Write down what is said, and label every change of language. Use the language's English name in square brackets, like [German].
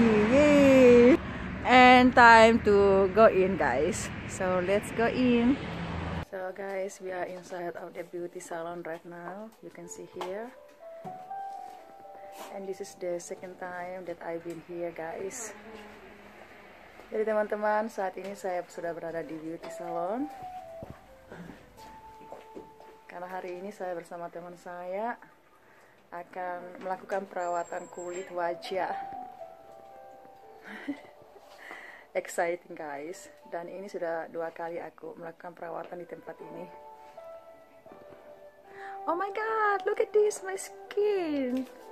[English] Yay! And time to go in guys, so let's go in. So guys, we are inside of the beauty salon right now. You can see here, and this is the second time that I've been here guys. [Indonesian] Jadi teman-teman, saat ini saya sudah berada di beauty salon karena hari ini saya bersama teman saya akan melakukan perawatan kulit wajah. [English] Exciting guys, [Indonesian] dan ini sudah dua kali aku melakukan perawatan di tempat ini. [English] Oh my god, look at this, my skin.